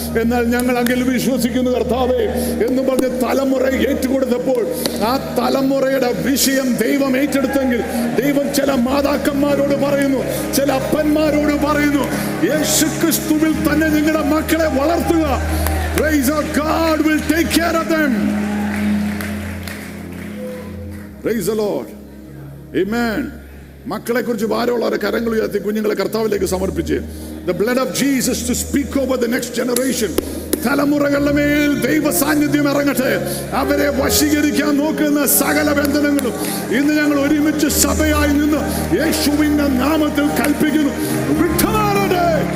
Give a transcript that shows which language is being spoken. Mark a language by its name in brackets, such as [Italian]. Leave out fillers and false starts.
[Malayalam] എന്നാൽ ഞങ്ങൾ അങ്ങനെ വിശ്വസിക്കുന്നു കർത്താവേ എന്ന് പറഞ്ഞ് തലമുറ ഏറ്റുകൊടുത്തപ്പോൾ ആ തലമുറയുടെ വിഷയം ദൈവം ഏറ്റെടുത്തെങ്കിൽ ദൈവം ചില മാതാക്കന്മാരോട് പറയുന്നു, ചില അപ്പന്മാരോട് പറയുന്നു, യേശു ക്രിസ്തുവിൽ തന്നെ നിങ്ങളുടെ മക്കളെ വളർത്തുക. [English] Praise our God will take care of them. Praise the Lord. Amen. [Malayalam] മക്കളെ കുറിച്ച് ഭാരമുള്ള കരങ്ങൾ ഉയർത്തി കുഞ്ഞുങ്ങളെ കർത്താവിലേക്ക് സമർപ്പിച്ച് [English] the blood of Jesus to speak over the next generation. [Malayalam] തലമുറകളുടെ മേൽ ദൈവ സാന്നിധ്യം ഇറങ്ങട്ടെ. അവരെ വശീകരിക്കാൻ നോക്കുന്ന സകല ബന്ധനങ്ങളും ഇന്ന് ഞങ്ങൾ ഒരുമിച്ച് സഭയായി നിന്ന് യേശുവിന്റെ നാമത്തിൽ കൽപ്പിക്കുന്നു, വിട്ടുമാറട്ടെ.